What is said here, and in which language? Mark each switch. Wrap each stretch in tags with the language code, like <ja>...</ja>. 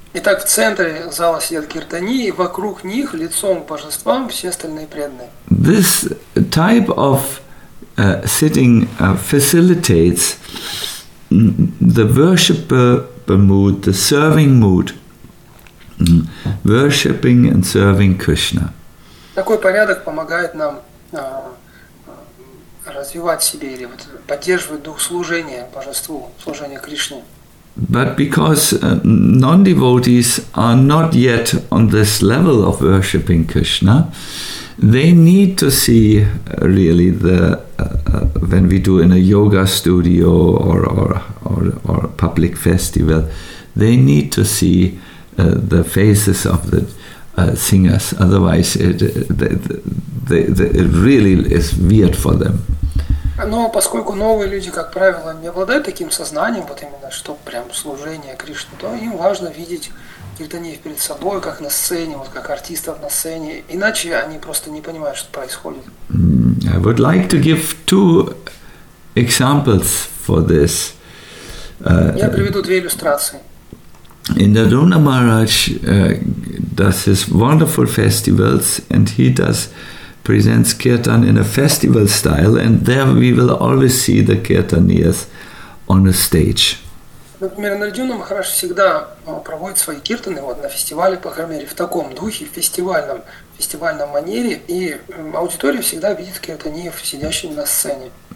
<ru>Итак, в центре зала сидят киртани, и вокруг них, лицом к божествам, все остальные преданные.</ru> <en>This type of sitting facilitates the worshipper mood, the serving mood. Worshipping and serving Krishna.</en> <ru>Такой порядок помогает нам развивать себе или вот поддерживать дух служения божеству, служения Кришне.</ru> <en>But because non-devotees are not yet on this level of worshipping Krishna, they need to see really the when we do in a yoga studio or a public festival, they need to see the faces of the singers, otherwise it really is weird for them.</en> <ru>Но поскольку новые люди, как правило, не обладают таким сознанием, вот именно, что прям служение Кришне, то им важно видеть киртаниев перед собой, как на сцене, вот как артистов на сцене, иначе они просто не понимают, что происходит.</ru> <en>I would like to give two examples for this.</en> <ru>Я приведу две иллюстрации.</ru> <en>Indradrona Maharaj does his wonderful festivals, and he presents kirtan in a festival style, and there we will always see the kirtaniyas on a stage.</en> <ru>Например, Indradrona Maharaj всегда проводит свои киртаны вот на фестивале по храмере в таком духе, в фестивальном манере, и аудитория всегда видит киртаниев, сидящих на сцене.</ru>